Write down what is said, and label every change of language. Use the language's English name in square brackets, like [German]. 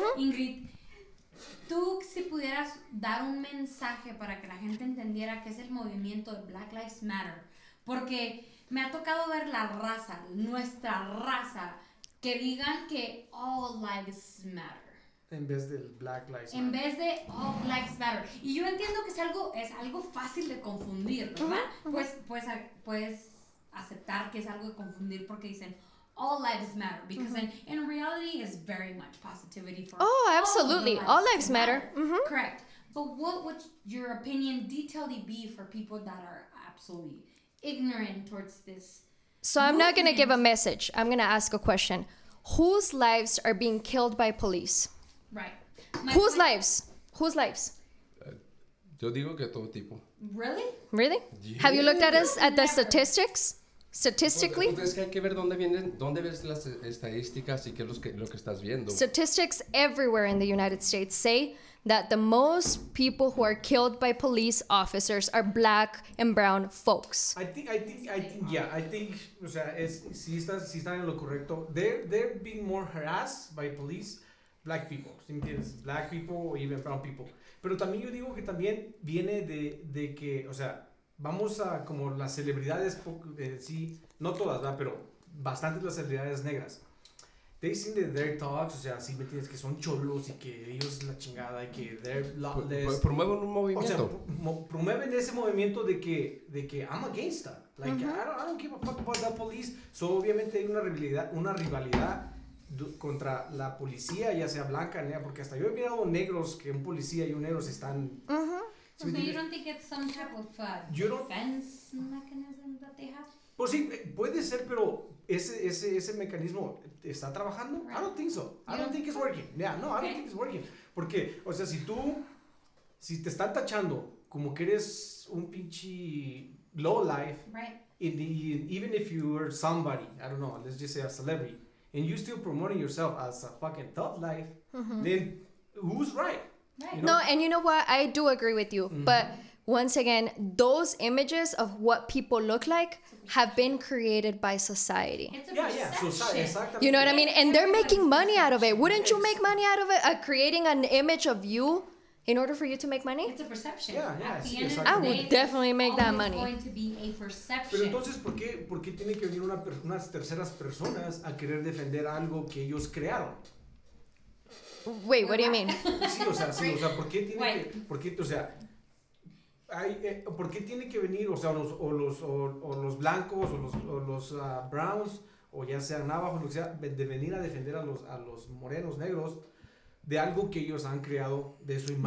[Spanish] Ingrid, tú si pudieras dar un mensaje para que la gente entendiera qué es el movimiento de Black Lives Matter, porque me ha tocado ver la raza, nuestra raza, que digan que all lives matter. En vez del Black Lives Matter. En vez de All Lives Matter. Y yo entiendo que es algo fácil de confundir, ¿verdad? Pues aceptar que es algo de confundir porque dicen All Lives Matter. [English] Because in reality, it's very much positivity for all. Oh, absolutely. All Lives Matter. Mm-hmm. Correct. But what would your opinion detailedly be for people that are absolutely ignorant towards this? So I'm not going to give a message. I'm going to ask a question. Whose lives are being killed by police? Right. Whose lives? [Spanish] Yo digo que todo tipo. [English] Really? Yeah. Have you looked at the statistics? Statistically? [Spanish] Pues que hay que ver dónde ves las estadísticas y qué lo que estás viendo. [English] Statistics everywhere in the United States say that the most people who are killed by police officers are black and brown folks. I think, [Spanish] o sea, si están en lo correcto. [English] They're being more harassed by police. Black people, [Spanish] ¿sí me entiendes? [English] Black people, even brown people. [Spanish] Pero también yo digo que también viene de que, o sea, vamos a como las celebridades, sí, no todas, ¿verdad? Pero bastantes las celebridades negras. [English] They sing the dirt talks, [Spanish] o sea, sí me entiendes, que son cholos y que ellos es la chingada y que [English] they're lawless. [Spanish] Promueven un movimiento. O sea, promueven ese movimiento de que [English] I'm against that. Like, I don't give a fuck about that police. So, [Spanish] obviamente hay una rivalidad contra la policía, ya sea blanca, negra, porque hasta yo he mirado negros que un policía y un negro se están. [English] So you don't think it's some type of defense mechanism that they have? [Spanish] Pues sí, puede ser, pero ese mecanismo está trabajando. [English] Right. I don't think so. I don't think it's working. Yeah, no, okay. I don't think it's working. [Spanish] Porque, o sea, si te están tachando como que eres un pinche low life, [English] right. Even if you were somebody, I don't know, let's just say a celebrity, and you're still promoting yourself as a fucking thug life, then who's right? You know? No, and you know what? I do agree with you. Mm-hmm. But once again, those images of what people look like have been created by society. It's a perception. You know what I mean? And they're making money out of it. Wouldn't you make money out of it? Creating an image of you in order for you to make money? It's a perception. Yeah, yeah. I would definitely make that money. It's going to be a perception. [Spanish] Pero entonces, ¿por qué tiene que venir unas terceras personas a querer defender algo que ellos crearon? [English] Wait, what do you mean? [Spanish] Sí, o sea, ¿por qué tiene que venir, o sea, los blancos o los browns o ya sean navajos, lo que sea, de venir a defender a los morenos negros de algo que ellos han creado de su imagen?